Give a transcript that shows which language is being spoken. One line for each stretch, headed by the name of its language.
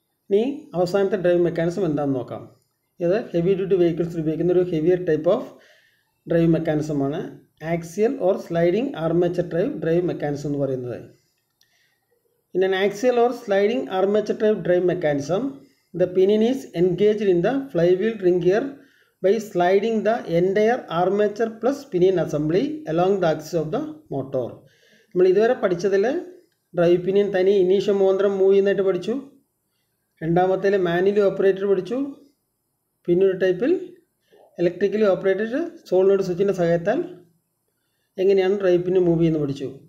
Malayalam: ഇനി അവസാനത്തെ drive mechanism എന്താണെന്ന് നോക്കാം. ഇത് ഹെവി ഡ്യൂട്ടി വെഹിക്കിൾസ് ഉപയോഗിക്കുന്ന ഒരു heavier type of drive മെക്കാനിസമാണ് axial or sliding armature drive mechanism എന്ന് പറയുന്നത്. ഇനി
English: Axial or sliding armature drive mechanism the pinion is engaged in the fly wheel ring gear by sliding the entire armature plus pinion assembly along the axis of the motor.
Malayalam: നമ്മൾ ഇതുവരെ പഠിച്ചതില് drive pinion തനി initial മാത്രം move ചെയ്യുന്നതായിട്ട് പഠിച്ചു, രണ്ടാമത്തെ manually operated പഠിച്ചു, പിന്നെ ഒരു ടൈപ്പിൽ ഇലക്ട്രിക്കലി ഓപ്പറേറ്റഡ് സോളിനോയിഡ് സ്വിച്ചിൻ്റെ സഹായത്താൽ എങ്ങനെയാണ് ഡ്രൈവ് പിനിയൻ മൂവ് ചെയ്യുന്നത് പഠിച്ചു.